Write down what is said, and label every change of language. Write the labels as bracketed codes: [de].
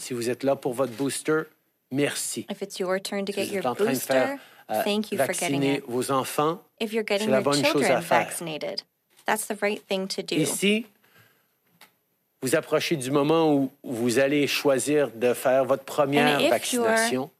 [fr] Si vous êtes là pour votre booster, merci. [en] If it's your turn to get your booster, thank you for getting it. [fr] Vos enfants, [en] if you're getting your children vaccinated, that's the right thing to do. [fr] Ici, vous approchez du moment où vous allez choisir de faire votre première vaccination.